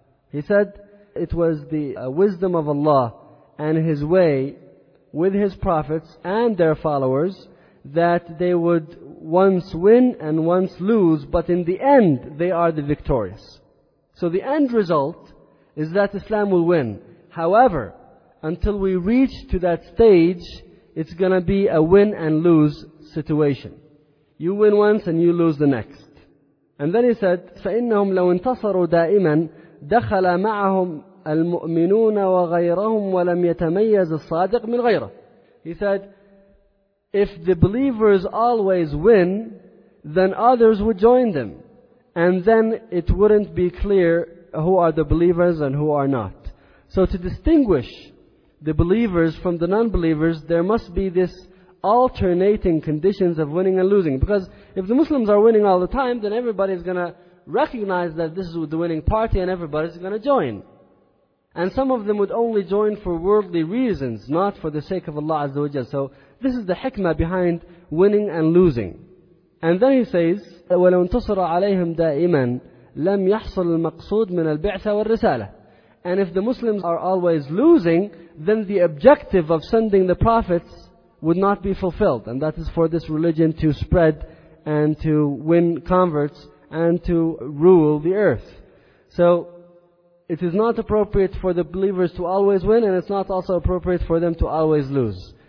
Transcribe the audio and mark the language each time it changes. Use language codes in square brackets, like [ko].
[en] He said, it was the wisdom of Allah and His way with His prophets and their followers that they would once win and once lose, but in the end they are the victorious. So the end result is that Islam will win. However, until we reach to that stage, it's going to be a win and lose situation. You win once and you lose the next. And then he said, [ar] فَإِنَّهُمْ لَوْ انتصروا دَائِمًا دَخَلَ مَعَهُمْ الْمُؤْمِنُونَ وَغَيْرَهُمْ وَلَمْ يَتَمَيَّزِ الصَّادِقْ مِنْ غَيْرَهُ. [en] He said, if the believers always win, then others would join them. And then it wouldn't be clear who are the believers and who are not. So to distinguish the believers from the non-believers, there must be this alternating conditions of winning and losing. Because if the Muslims are winning all the time, then everybody is going to recognize that this is the winning party and everybody is going to join. And some of them would only join for worldly reasons, not for the sake of Allah Azza wa Jalla. So this is the hikmah behind winning and losing. And then he says, [ar] وَلَوْ انتصر عَلَيْهِمْ دَائِمًا لَمْ يَحْصُلُ الْمَقْصُودُ مِنَ الْبِعْثَ وَالرِّسَالَةِ. [en] And if the Muslims are always losing, then the objective of sending the prophets would not be fulfilled. And that is for this religion to spread and to win converts and to rule the earth. So it is not appropriate for the believers to always win, and it's not also appropriate for them to always lose.